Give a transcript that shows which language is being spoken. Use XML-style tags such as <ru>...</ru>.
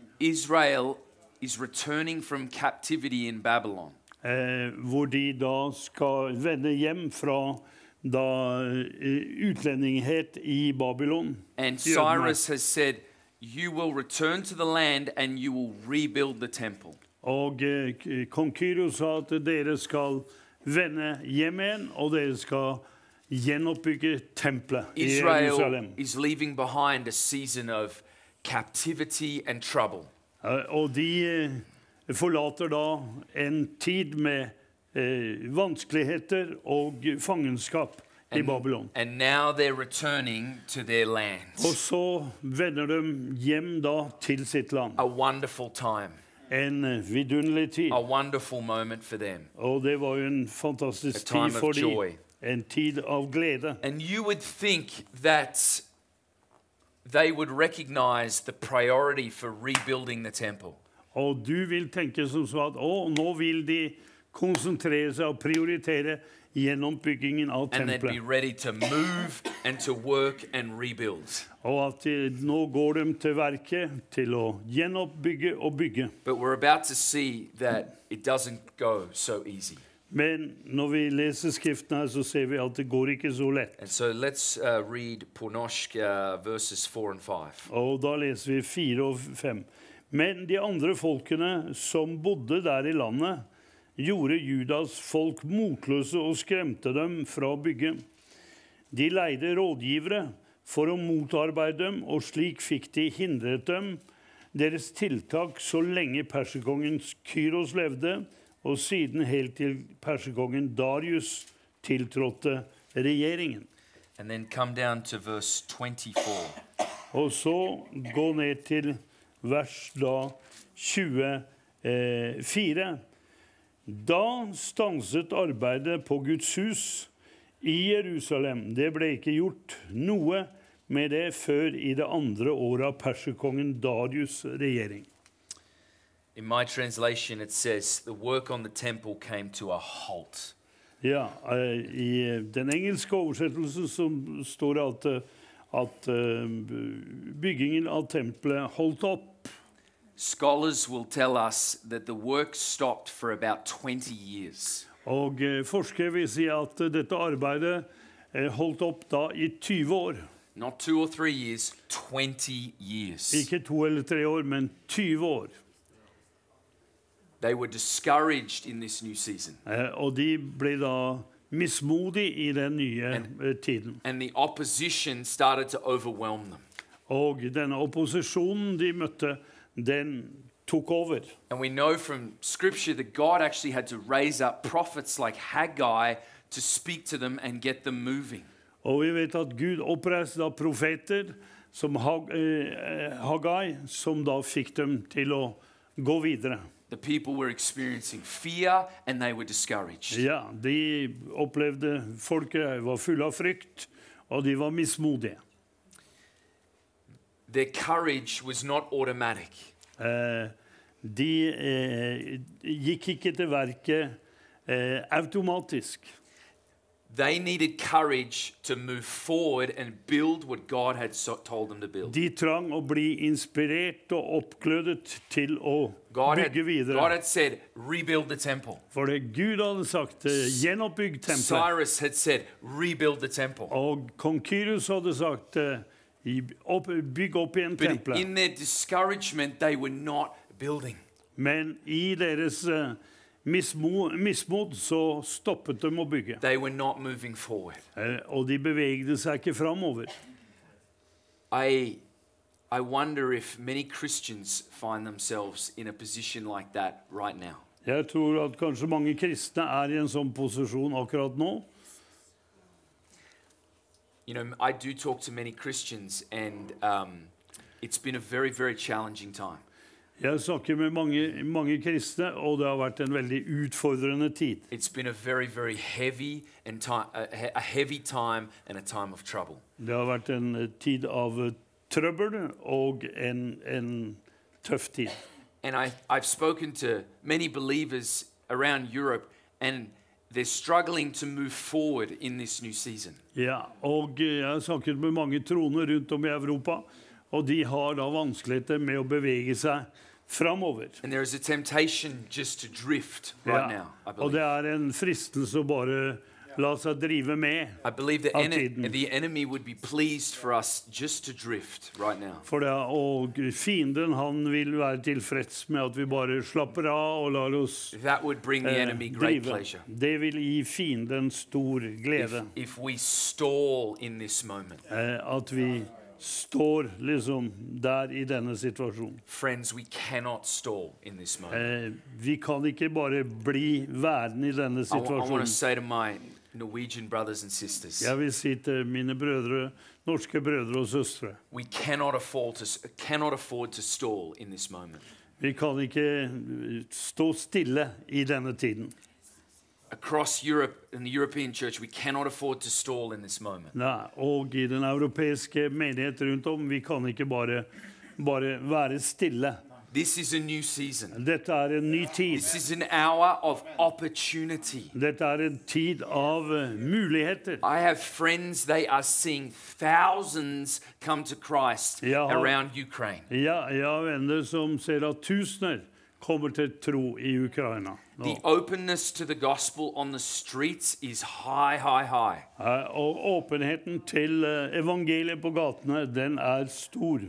<en>Israel is returning from captivity in Babylon.</en> <no>Hvor de da skal vende hjem fra da utlendinghet i Babylon.</no> <en>And Cyrus has said, you will return to the land and you will rebuild the temple.</en> <no>Og kong Kyros sa at dere skal vende hjem igjen og dere skal gjenoppbygge tempelet i Jerusalem.</no> <en>Israel is leaving behind a season of captivity and trouble.</en> <no>Og de forlater da en tid med vanskeligheter og fangenskap i Babylon.</no> <en>And now they're returning to their land.</en> <no>Og så vender de hjem da til sitt land.</no> <en>A wonderful time.</en> <no>En vidunderlig tid.</no> <en>A wonderful moment for them.</en> <no>Og det var jo en fantastisk tid for dem.</no> <en>A time of joy.</en> <no>En tid av glede.</no> <en>And you would think that they would recognize the priority for rebuilding the temple.</en> <no>Og du vil tenke som så at, nå vil de konsentrere seg og prioritere gjenoppbyggingen av tempelet.</no> <en>And they'd be ready to move and to work and rebuild.</en> <no>Og at nå går de til verket til å gjenoppbygge og bygge.</no> <en>But we're about to see that it doesn't go so easy.</en> <no>Men når vi leser skriften her, så ser vi at det går ikke så lett.</no> <en>And so let's read</en> <no>på norsk</no> <en>verses 4 and 5.</en> <no>Og da leser vi 4 og 5. Men de andre folkene som bodde der i landet, gjorde Judas folk motløse og skremte dem fra bygget. De leide rådgivere for å motarbeide dem, og slik fikk de hindret dem. deres tiltak så lenge perserkongen Kyros levde, og siden helt til perserkongen Darius tiltrådte regjeringen.</no> <en>And then come down to verse 24.</en> <no>Og så gå ned til vers da 24. Da stanset arbeidet på Guds hus i Jerusalem. Det ble ikke gjort noe med det før i det andre året av perserkongen Darius' regjering.</no> <en>In my translation it says, the work on the temple came to a halt.</en> <no>Ja, i den engelske oversettelsen så står det at byggingen av tempelet holdt opp.</no> <en>Scholars will tell us that the work stopped for about 20 years.</en> <no>Og forskere vil si at dette arbeidet holdt opp da i 20 år.</no> <en>Not 2 or 3 years, 20 years.</en> <no>Ikke 2 eller 3 år, men 20 år.</no> <en>They were discouraged in this new season.</en> <no>Og de ble da mismodige i den nye tiden.</no> <en>And the opposition started to overwhelm them.</en> <no>Og den opposisjonen de møtte, den tok over.</no> <en>And we know from scripture that God actually had to raise up prophets like Haggai to speak to them and get them moving.</en> <no>Og vi vet at Gud oppreiste da profeter som Haggai, som da fikk dem til å gå videre.</no> <en>The people were experiencing fear and they were discouraged.</en> <no>Ja, de opplevde folket var full av frykt og de var mismodige.</no> <en>Their courage was not automatic.</en> <no>De gikk ikke til verket automatisk.</no> <en>They needed courage to move forward and build what God had told them to build.</en> <no>De trang å bli inspirert og oppglødet til å bygge videre.</no> <en>God had said, rebuild the temple.</en> <no>For Gud hadde sagt, gjenoppbygg tempelet.</no> <en>Cyrus had said, rebuild the temple.</en> <no>Og kong Kyros hadde sagt, bygg opp igjen tempelet.</no> <en>But in their discouragement, they were not building.</en> <no>Men i deres mismod, så stoppet de å bygge.</no> <en>They were not moving forward.</en> <no>Og de bevegde seg ikke framover.</no> <en>I wonder if many Christians find themselves in a position like that right now.</en> <no>Jeg tror at kanskje mange kristne er i en sånn posisjon akkurat nå.</no> <en>You know, I do talk to many Christians, and it's been a very, very challenging time.</en> <no>Jeg snakker med mange kristne, og det har vært en veldig utfordrende tid.</no> <en>It's been a very, very heavy, and a heavy time and a time of trouble.</en> <no>Det har vært en tid av trøbbel og en tøff tid.</no> <en>And I've spoken to many believers around Europe, and they're struggling to move forward in this new season.</en> <no>Ja, og jeg har snakket med mange troende rundt om i Europa, og de har da vanskeligheter med å bevege seg framover.</no> <en>And there is a temptation just to drift right now, I believe.</en> <no>Og det er en fristelse å bare la seg drive med av tiden.</no> <en>I believe that the enemy would be pleased for us just to drift right now.</en> <no>For det, og fienden, han vil være tilfreds med at vi bare slapper av og lar oss drive.</no> <en>That would bring the enemy great pleasure.</en> <no>Det vil gi fienden stor glede.</no> <en>If we stall in this moment.</en> <no>At vi står liksom der i denne situasjonen.</no> <en>Friends, we cannot stall in this moment.</en> <no>Vi kan ikke bare bli værende i denne situasjonen.</no> <en>I want to say to my Norwegian brothers and sisters.</en> <no>Jeg vil si til mine brødre, norske brødre og søstre.</no> <en>We cannot afford to stall in this moment.</en> <no>Vi kan ikke stå stille i denne tiden.</no> <en>Across Europe, in the European church, we cannot afford to stall in this moment.</en> <no>Nei, og i den europeiske menighet rundt om, vi kan ikke bare være stille.</no> <en>This is a new season.</en> <no>Dette er en ny tid.</no> <en>This is an hour of opportunity.</en> <no>Dette er en tid av muligheter.</no> <en>I have friends, they are seeing thousands come to Christ around Ukraine.</en> <no>Ja, jeg har venner som ser at tusener kommer til tro i Ukraina.</no> <en>The openness to the gospel on the streets is high, high, high.</en> <no>Og åpenheten til evangeliet på gatene, den er stor.</no>